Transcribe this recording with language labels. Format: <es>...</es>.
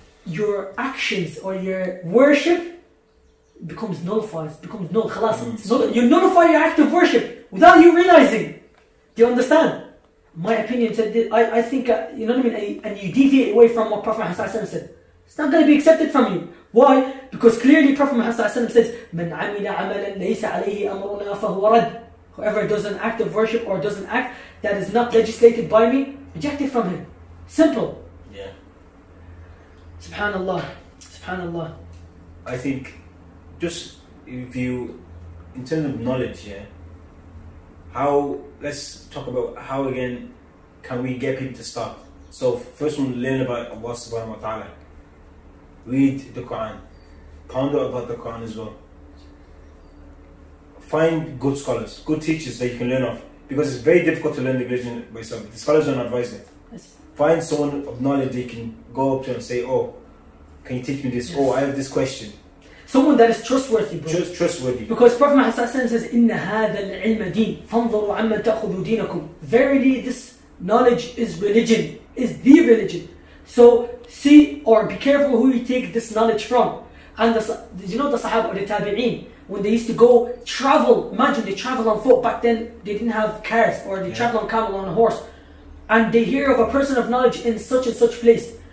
<en>your actions or your worship becomes nullified, becomes null. Khalas, you nullify your act of worship without you realizing. Do you understand? My opinion said, I think, you know what I mean? And you deviate away from what Prophet Muhammad said. It's not going to be accepted from you. Why? Because clearly Prophet Muhammad says,</en> <ar>مَنْ عَمِلَ عَمَلًا لَيْسَ عَلَيْهِ أَمْرُنَا فَهُوَ رَدْ.</ar> <en>Whoever does an act of worship or does an act that is not legislated by me, reject it from him. Simple. Yeah. SubhanAllah. SubhanAllah. I think, just if you, in terms of knowledge, yeah, how, let's talk about how again can we get people to start. So first one, learn about Allah subhanahu wa ta'ala. Read the Quran. Ponder about the Quran as well. Find good scholars, good teachers that you can learn off. Because it's very difficult to learn the religion by yourself. The scholars don't advise it. Yes. Find someone of knowledge they can go up to and say, oh, can you teach me this? Yes. Oh, I have this question. Someone that is trustworthy, bro. Just trustworthy. Because Prophet Muhammad says,</en> <ar>إِنَّ هَذَا الْعِلْمَ دِينَ فَانْظَرُوا عَمَّا تَأْخُذُوا دِينَكُمْ.</ar> <en>Verily, this knowledge is religion. Is the religion. So, see or be careful who you take this knowledge from. And the, you know the Sahaba or the Tabi'een? When they used to go travel, imagine they travel on foot. Back then, they didn't have cars, or they travel on camel, on a horse. And they hear of a person of knowledge in such and such place.</en>